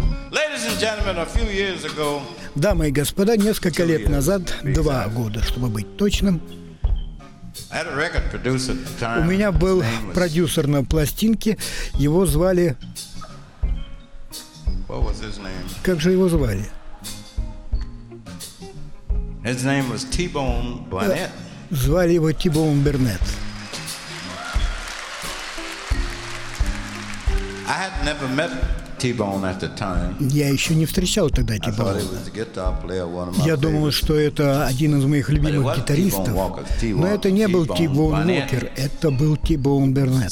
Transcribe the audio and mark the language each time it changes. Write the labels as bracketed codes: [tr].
[en] Ladies and gentlemen, a few years ago. [ru] Дамы и господа, несколько лет назад, два года, чтобы быть точным. У меня был продюсер на пластинке. Его звали. [en] What was his name? [ru] Как же его звали? [en] His name was T-Bone Burnett. [ru] Звали его Тибоун Бернет. [en] I had never met T-Bone at the time. [ru] Я еще не встречал тогда Тибоуна. Я думал, что это один из моих любимых гитаристов. Но это не был Тибоун Уокер, это был Тибоун Бернет.